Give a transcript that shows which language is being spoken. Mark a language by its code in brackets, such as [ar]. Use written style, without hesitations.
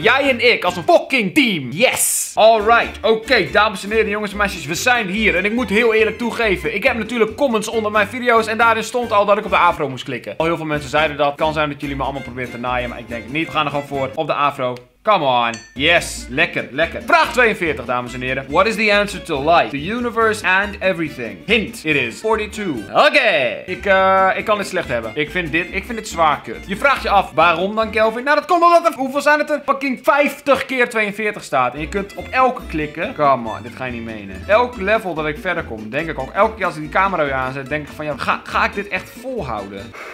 [nl] Jij en ik, als een fucking team. [en] Yes! Alright. [nl] Oké, dames en heren, jongens en meisjes. We zijn hier. En ik moet heel eerlijk toegeven. Ik heb natuurlijk comments onder mijn video's. En daarin stond al dat ik op de afro moest klikken. Al heel veel mensen zeiden dat. Kan zijn dat jullie me allemaal proberen te naaien, maar ik denk niet. We gaan er gewoon voor op de afro. [en] Come on. Yes. [nl] Lekker, lekker. Vraag 42, dames en heren. [en] What is the answer to life? The universe and everything. Hint. It is 42. Oké. [nl] Ik kan dit slecht hebben. Ik vind dit zwaar kut. Je vraagt je af, waarom dan, Kelvin? Nou, dat komt omdat er... Hoeveel zijn het er? Fucking 50 keer 42 staat. En je kunt op elke klikken. [en] Come on. [nl] Dit ga je niet menen. Elk level dat ik verder kom, denk ik ook. Elke keer als ik die camera weer aanzet, denk ik van... Ja, ga ik dit echt volhouden?